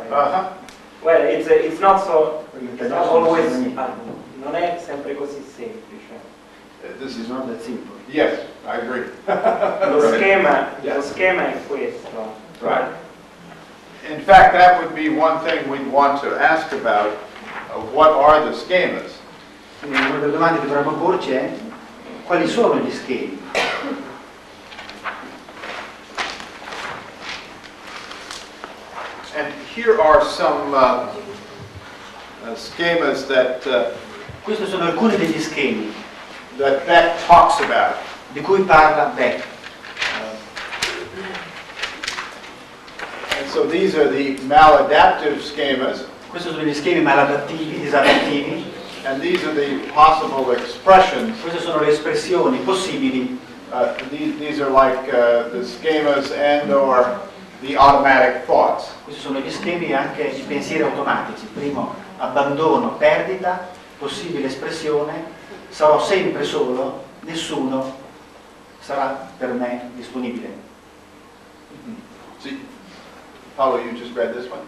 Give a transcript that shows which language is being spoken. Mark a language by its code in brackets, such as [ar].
[en] Well, it's not so. It's not always. [it] Non è sempre così semplice. [en] This is not that simple. Yes, I agree. [it] lo schema è questo. [en] Right. In fact, that would be one thing we'd want to ask about. What are the schemas? [it] Una delle domande che dovremmo porci è quali sono gli schemi? [en] And here are some schemas that [it] questi sono alcuni degli schemi [en] that Beck talks about [it] di cui parla Beck. [en] And so these are the maladaptive schemas. [it] Questi sono gli schemi maladattivi, disadattivi. [en] And these are the possible expressions. [it] Queste sono le espressioni possibili. [en] These are like the schemas and or the automatic thoughts. [it] Questi sono gli schemi e anche i pensieri automatici. Primo, abbandono, perdita, possibile espressione, sarò sempre solo, nessuno sarà per me disponibile. [en] Sì. Paolo, you just read this one?